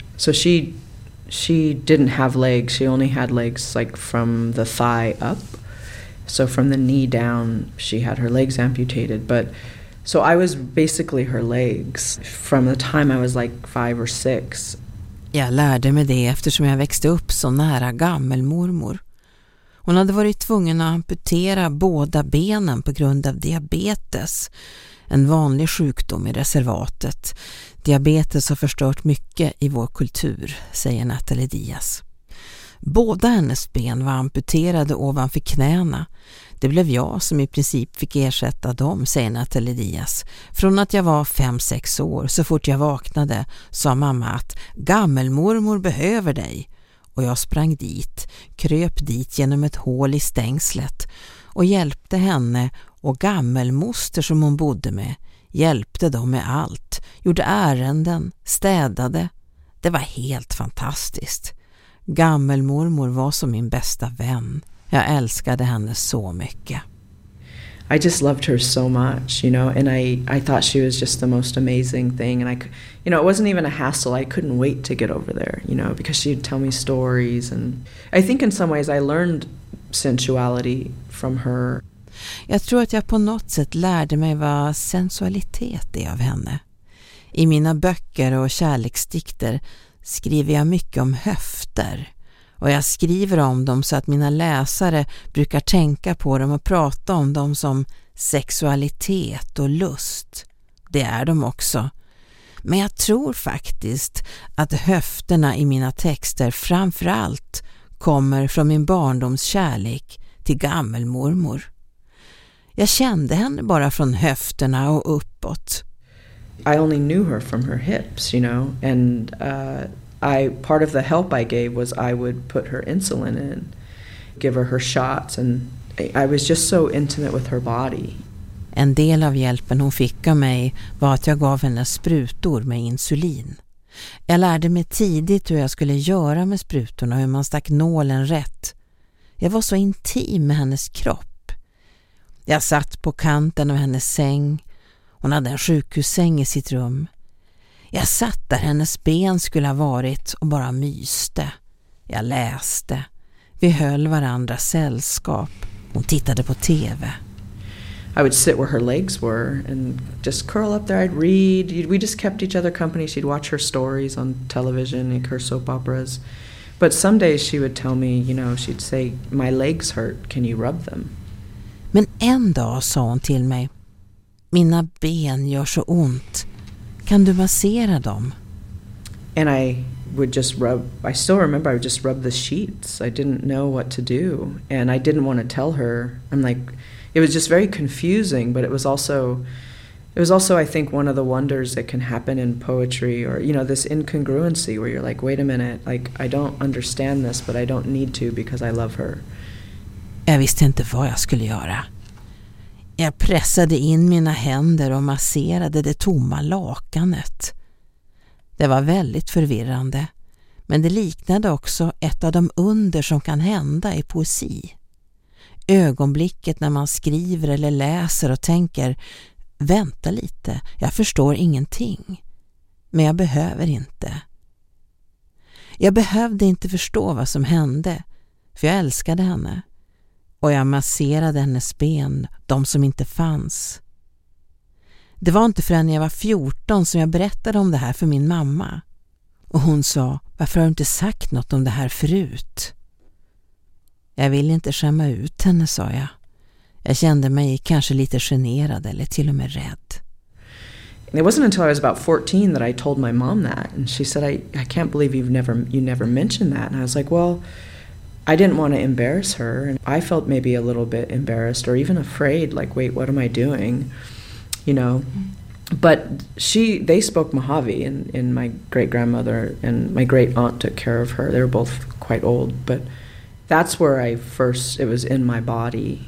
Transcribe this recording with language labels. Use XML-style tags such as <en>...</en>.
<en>So she didn't have legs. She only had legs like from the thigh up. So from the knee down, she had her legs amputated. But so I was basically her legs from the time I was like 5 or 6.</en> <sv>Jag lärde mig det eftersom jag växte upp så nära gammelmormor. Hon hade varit tvungen att amputera båda benen på grund av diabetes. En vanlig sjukdom i reservatet. Diabetes har förstört mycket i vår kultur, säger Natalie Diaz. Båda hennes ben var amputerade ovanför knäna. Det blev jag som i princip fick ersätta dem, säger Natalie Diaz. Från att jag var 5-6 år, så fort jag vaknade, sa mamma att gammelmormor behöver dig. Och jag sprang dit, kröp dit genom ett hål i stängslet och hjälpte henne och gammelmoster som hon bodde med. Hjälpte dem med allt, gjorde ärenden, städade. Det var helt fantastiskt. Gammelmormor var som min bästa vän. Jag älskade henne så mycket.</sv> <en>I just loved her so much, you know, and I thought she was just the most amazing thing, and I, you know, it wasn't even a hassle. I couldn't wait to get over there, you know, because she'd tell me stories, and I think in some ways I learned sensuality from her.</en> <sv>Jag tror att jag på något sätt lärde mig vad sensualitet är av henne. I mina böcker och kärleksdikter skriver jag mycket om höfter. Och jag skriver om dem så att mina läsare brukar tänka på dem och prata om dem som sexualitet och lust. Det är de också. Men jag tror faktiskt att höfterna i mina texter framförallt kommer från min barndoms kärlek till gammelmormor. Jag kände henne bara från höfterna och uppåt.</sv> <en>I only knew her from her hips, you know, and I part of the help I gave was I would put her insulin in, give her her shots, and I was just so intimate with her body.</en> <sv>En del av hjälpen hon fick av mig var att jag gav henne sprutor med insulin. Jag lärde mig tidigt hur jag skulle göra med sprutorna, hur man stack nålen rätt. Jag var så intim med hennes kropp. Jag satt på kanten av hennes säng. Hon hade en sjukhussäng i sitt rum. Jag satt där hennes ben skulle ha varit och bara myste. Jag läste. Vi höll varandra sällskap. Hon tittade på TV.</sv> <en>I would sit where her legs were and just curl up there. I'd read. We just kept each other company. She'd watch her stories on television, like her soap operas. But some days she would tell me, you know, she'd say, "My legs hurt. Can you rub them?"</en> <sv>Men en dag sa hon till mig, mina ben gör så ont. Kan du massera dem?</sv> <en>And I would just rub, I still remember I would just rub the sheets. I didn't know what to do. And I didn't want to tell her. I'm like, it was just very confusing, but it was also I think one of the wonders that can happen in poetry, or you know, this incongruency where you're like, wait a minute, like I don't understand this, but I don't need to because I love her.</en> <sv>Jag visste inte vad jag skulle göra. Jag pressade in mina händer och masserade det tomma lakanet. Det var väldigt förvirrande, men det liknade också ett av de under som kan hända i poesi. Ögonblicket när man skriver eller läser och tänker, vänta lite, jag förstår ingenting, men jag behöver inte. Jag behövde inte förstå vad som hände, för jag älskade henne. Och jag masserade hennes ben, de som inte fanns. Det var inte förrän jag var 14 som jag berättade om det här för min mamma. Och hon sa, varför har du inte sagt något om det här förut? Jag ville inte skämma ut henne, sa jag. Jag kände mig kanske lite generad eller till och med rädd.</sv> <en>It wasn't until I was about 14 that I told my mom that. And she said, I can't believe you never mentioned that. And I was like, well, I didn't want to embarrass her, and I felt maybe a little bit embarrassed or even afraid, like, wait, what am I doing, you know? But they spoke Mojave, and my great-grandmother and my great-aunt took care of her. They were both quite old, but that's where I first, it was in my body.</en>